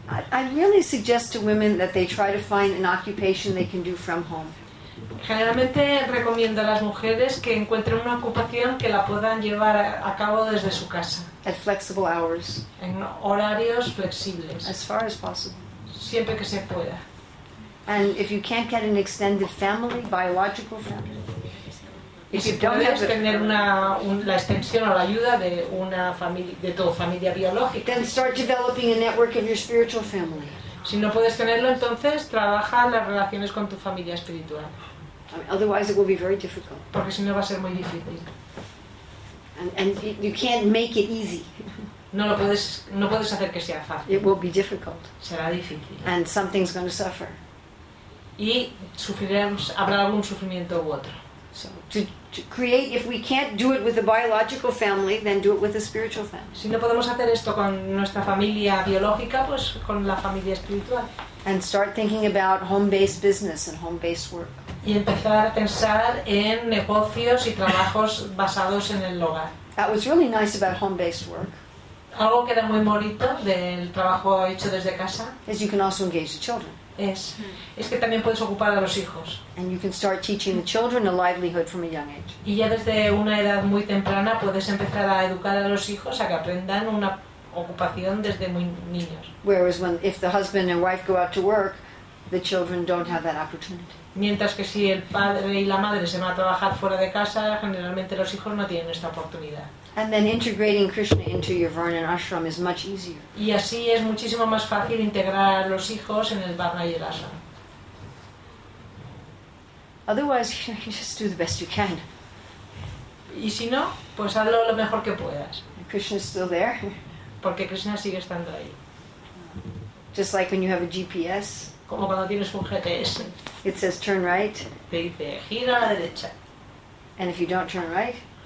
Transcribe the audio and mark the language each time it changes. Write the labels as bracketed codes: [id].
[en] I really suggest to women that they try to find an occupation they can do from home. [es] Generalmente recomiendo a las mujeres que encuentren una ocupación que la puedan llevar a cabo desde su casa. [en] At flexible hours. [es] En horarios flexibles. [en] As far as possible. [es] Siempre que se pueda. [en] And if you can't get an extended family, biological family. [es] Y si puedes tener la extensión o la ayuda de una familia, de tu familia biológica. [en] Then start developing a network of your spiritual family. [es] Si no puedes tenerlo, entonces trabaja las relaciones con tu familia espiritual. [en] Otherwise it will be very difficult. [es] Porque si no va a ser muy difícil. [en] And you can't make it easy. [es] No puedes hacer que sea fácil. [en] It will be difficult. [es] Será difícil. [en] And something's going to suffer. [es] Y habrá algún sufrimiento u otro. [en] So to create, if we can't do it with a biological family, then do it with a spiritual family. [es] Si no podemos hacer esto con nuestra familia biológica, pues con la familia espiritual. [en] And start thinking about home-based business and home-based work. [es] Y empezar a pensar en negocios y trabajos basados en el hogar. [en] That was really nice about home-based work. [es] Algo que era muy bonito del trabajo hecho desde casa. [en] Is you can also engage the children. [es] Es que también puedes ocupar a los hijos. [en] And you can start teaching the children a livelihood from a young age. [es] Y ya desde una edad muy temprana puedes empezar a educar a los hijos a que aprendan una ocupación desde muy niños. [en] Whereas when if the husband and wife go out to work, the children don't have that opportunity. [es] Mientras que si el padre y la madre se van a trabajar fuera de casa, generalmente los hijos no tienen esta oportunidad. [en] And then integrating Krishna into your varnan ashram is much easier. [es] Y así es muchísimo más fácil integrar a los hijos en el varna y el ashram. [en] Otherwise, you know, you just do the best you can. [es] Y si no, pues hazlo lo mejor que puedas. [en] And Krishna's still there. [es] Porque Krishna sigue estando ahí. [en] Just like when you have a GPS. [es] Como cuando tienes un GPS. [en] It says turn right. [es] Te dice gira a la derecha. [en] And if you don't turn right.